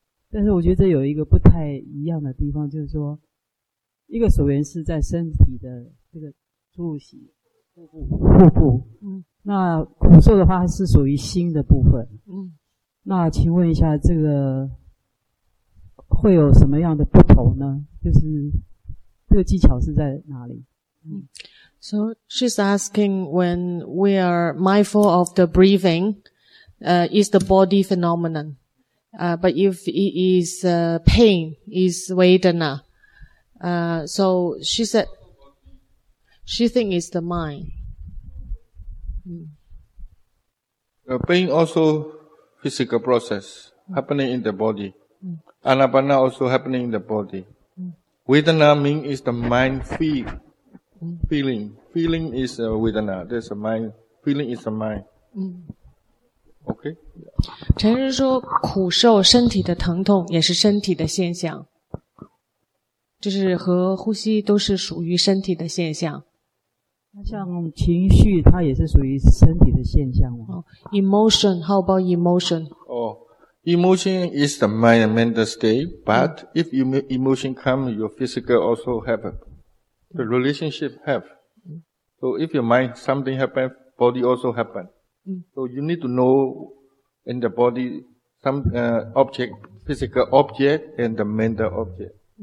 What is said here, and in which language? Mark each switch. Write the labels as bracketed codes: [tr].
[zh] 但是我觉得这有一个不太一样的地方，就是说。一个所缘是在身体的这个住息腹部，那苦受的话是属于心的部分，那请问一下，这个会有什么样的不同呢？就是这个技巧是在哪里？ [en] So she's asking, when we are mindful of the breathing, is the body phenomenon, but if it is pain, is vedana. So she said, she think it's the mind. The pain also physical process happening in the body. Anapana also happening in the body. Vedana mean is the mind feeling. Feeling is a vedana. There's a mind. Feeling is a mind. Okay. [zh] 陈师说苦受身体的疼痛也是身体的现象。就是和呼吸都是属于身体的现象。那像情绪它也是属于身体的现象吗？ [en] Emotion, how about emotion? Emotion is the mind and mental state, but if emotion come, your physical also have the relationship have. So if your mind something happen, body also happen. So you need to know in the body some object, physical object and the mental object.